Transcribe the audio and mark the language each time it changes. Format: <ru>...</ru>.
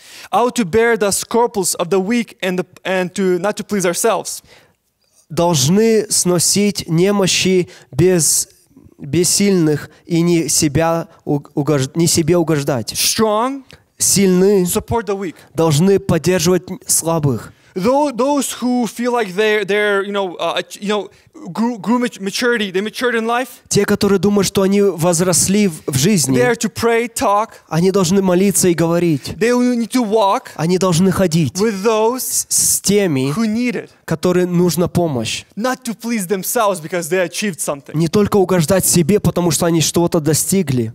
<en>Ought to bear the scruples of the weak and not to please ourselves.</en> <ru>Должны сносить немощи бессильных и не себе угождать.</ru> <en>Strong.</en> <ru>Сильны.</ru> <en>Support the weak.</en> <ru>Должны поддерживать слабых.</ru> <en>Those who feel like they grew maturity in life.</en> <ru>Те, которые думают, что они возросли в жизни.</ru> <en>They are to pray, talk.</en> <ru>Они должны молиться и говорить.</ru> <en>They need to walk.</en> <ru>Они должны ходить.</ru> <en>With those</en> <ru>с теми,</ru> <en>who need it.</en> <ru>Которые нужна помощь.</ru> <en>Not to please themselves because they achieved something.</en> <ru>Не только угождать себе, потому что они что-то достигли.</ru>